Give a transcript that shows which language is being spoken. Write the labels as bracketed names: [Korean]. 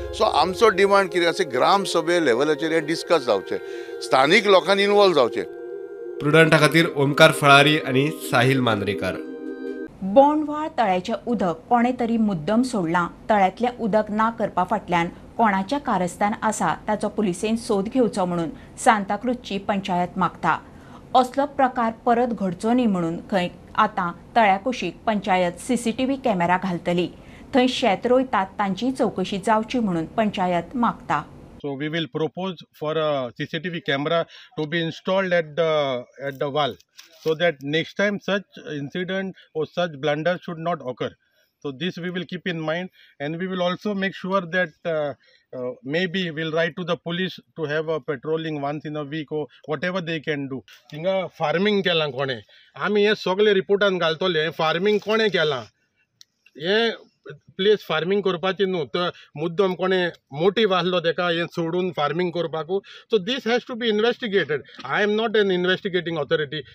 [Goan Konkani] So आमचो demand कितें आसा, ग्रामसभे लेवलाचेर हें डिस्कस जावचें, स्थानीक लोकांनी इनवॉल्व जावचें. प्रुडंटा खातीर ओमकार फळारी आनी साहील मांद्रेकार. बोंडवाळ तळ्याचें उदक कोणे तरी मुद्दम सोडलां. तळ्यांतलें उदक ना करपा फाटल्यान कोणाचें कारस्थान आसा ताचो पुलिसेन सोद घेवचो म्हणून सांताक्रूजची पंचायत मागता. असलो प्रकार परत घडचो न्ही म्हणून खंय आतां तळ्या कुशीक पंचायत CCTV कॅमेरा घालतली. थंय शेत रोयतात तांचीय चवकशी जावची म्हणून पंचायत मागता. [English] So we will propose for a CCTV camera to be installed at the wall so that next time such incident or such blunder should not occur. So this we will keep in mind, and we will also make sure that maybe we'll write to the police to have a patrolling once in a week or whatever they can do. [Goan Konkani] Tinga farming kela kone ami ye sogle report an galtole farming kone kela ye place farming करपाची न्हू तर मुद्दम कोणें motive आसलो तेका हें सोडून farming करपाकू. [English] So this has to be investigated. I am not an investigating authority.